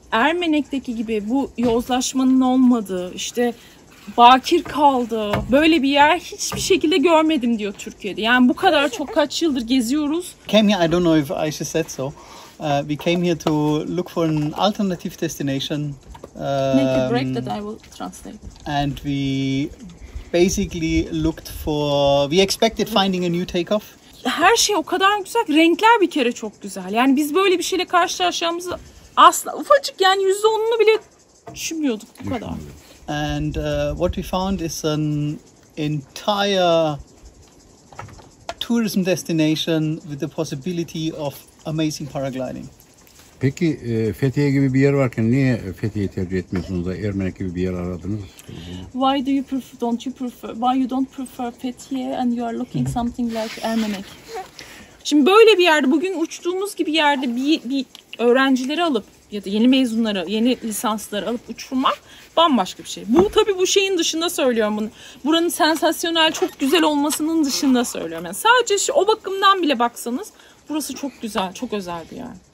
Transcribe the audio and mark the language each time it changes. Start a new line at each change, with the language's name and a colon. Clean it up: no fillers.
Turkish: Ermenek'teki gibi bu yozlaşmanın olmadığı, işte bakir kaldı, böyle bir yer hiçbir şekilde görmedim diyor Türkiye'de. Yani bu kadar çok kaç yıldır geziyoruz.
English: Came here, I don't know if Aisha said so. We came here to look for an alternative destination. Make a break that I will translate. And we basically looked for, we expected finding a new takeoff.
Turkish: Her şey o kadar güzel ki, renkler bir kere çok güzel. Yani biz böyle bir şeyle karşılaşacağımızı asla, ufacık yani %10'unu bile düşünmüyorduk bu kadar.
English: And what we found is an entire tourism destination with the possibility of amazing paragliding.
Turkish: Peki Fethiye gibi bir yer varken niye Fethiye'yi tercih etmiyorsunuz da Ermenek gibi bir yer aradınız?
English: Why do you prefer, don't you prefer, why you don't prefer Fethiye and you are looking something like Ermenek?
Turkish: Şimdi böyle bir yerde, bugün uçtuğumuz gibi yerde bir öğrencileri alıp ya da yeni mezunları, yeni lisansları alıp uçurmak bambaşka bir şey. Bu tabii bu şeyin dışında söylüyorum bunu. Buranın sensasyonel, çok güzel olmasının dışında söylüyorum. Yani sadece şu, o bakımdan bile baksanız burası çok güzel, çok özel bir yer.